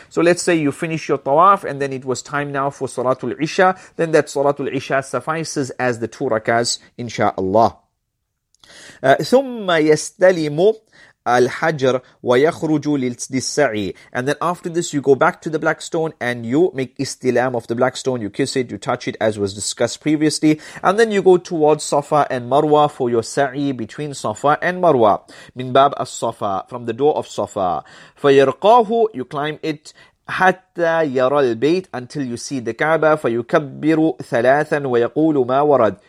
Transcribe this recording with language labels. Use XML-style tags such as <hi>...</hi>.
<en>So let's say you finish your tawaf and then it was time now for Salatul Isha, then that Salatul Isha suffices as the 2 rakahs, inshaAllah.</en> <ar>ثُمَّ يَسْتَلِمُ الحجر ويخرج للسعي.</ar> <en>And then after this, you go back to the black stone and you make istilam of the black stone. You kiss it, you touch it, as was discussed previously. And then you go towards Safa and Marwa for your sa'i between Safa and Marwa.</en> <ar>من باب الصفا,</ar> <en>from the door of Safa.</en> <ar>فيرقاه,</ar> <en>you climb it.</en> <ar>حتى يرى البيت,</ar> <en>until you see the Kaaba.</en> <ar>فيكبر ثلاثا ويقول ما ورد.</ar>